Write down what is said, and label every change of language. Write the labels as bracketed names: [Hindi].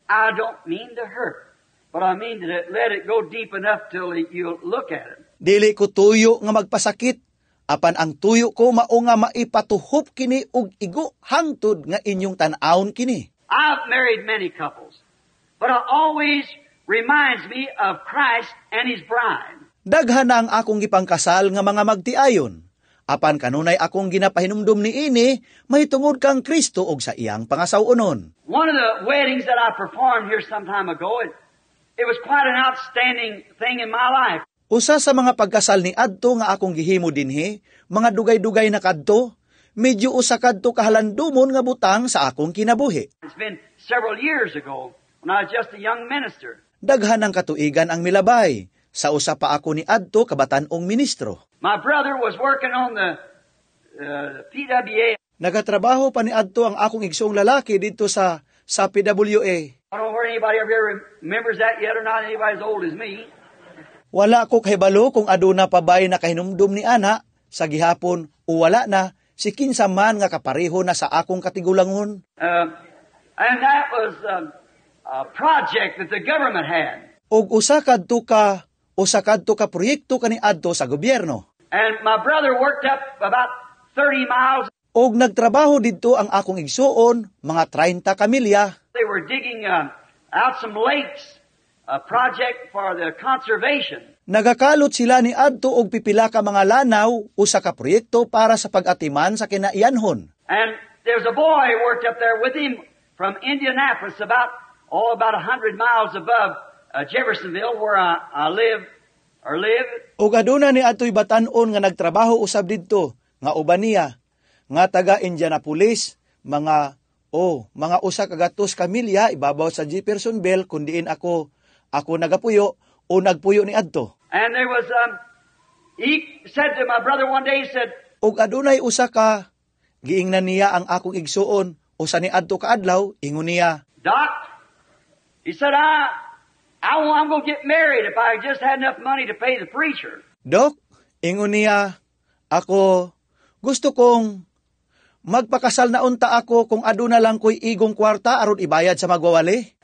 [English] I don't mean to hurt, But I mean to let it go deep enough till you look at it. [Cebuano] Dili ko tuyo nga magpasakit, apan ang tuyo ko mao nga maipatuhop kini ug igo hangtod nga inyong tan-aon kini. [English] I've married many couples, but it always reminds me of Christ and His bride. [Cebuano] Daghan ang akong gipangkasal nga mga magtiayon, apan kanunay akong ginapahinumdum niini, may tungod kang Kristo og sa iyang pangasaw-unon. [English] One of the weddings that I performed here some time ago, it was quite an outstanding thing in my life. [Cebuano] Usa sa mga pagkasal ni adto nga akong gihimo dinhi, mga dugay-dugay na kadto, medyo usa kadto kahalandumon nga butang sa akong kinabuhi. [English] It's been several years ago when I was just a young minister. [Cebuano] Daghan ang katuigan ang milabay. Sa usa pa ako ni adto kabatanong ministro. [English] My brother was working on the PWA. [Cebuano] Nagatrabaho pa ni adto ang akong igsoong lalaki dito sa PWA. [English] I don't know if anybody ever remembers that yet or not, anybody as old as me. [Cebuano] Wala ko kahibalo kung aduna pa bay nakahinumdum ni ana sa gihapon o wala na si kinsa man nga kapareho na sa akong katigulangon. [English] And that was a project that the government had. [Cebuano] Og usa kadto ka proyekto kani adto sa gobyerno. [English] And my brother worked up about 30 miles. [Cebuano] Og nagtrabaho dito ang akong igsuon mga 30 ka milya. [English] They were digging out some lakes, a project for the conservation. [Cebuano] Nagakalot sila ni adto og pipila ka mga lanaw usa ka proyekto para sa pag-atiman sa kinaiyanhon. [English] And there's a boy worked up there with him from Indianapolis about 100 miles above Jeffersonville where I live. [Cebuano] Og aduna ni adto'y batan-on nga nagtrabaho usab didto nga uban niya nga taga Indianapolis mga usa ka gatos ka milya ibabaw sa Jeffersonville kundiin ako nagapuyo o nagpuyo ni adto. [English] And there was he said to my brother one day, he said, [Cebuano] og adunay usa ka giingnan niya ang akong igsuon usa ni adto kaadlaw ingon niya, [English] Doc, he said, I'm going to get married if I just had enough money to pay the preacher. [Cebuano] Doc, ingon niya, ako gusto kong magpakasal na unta ako kung aduna lang ko'y igong kwarta aron ibayad sa magwawali.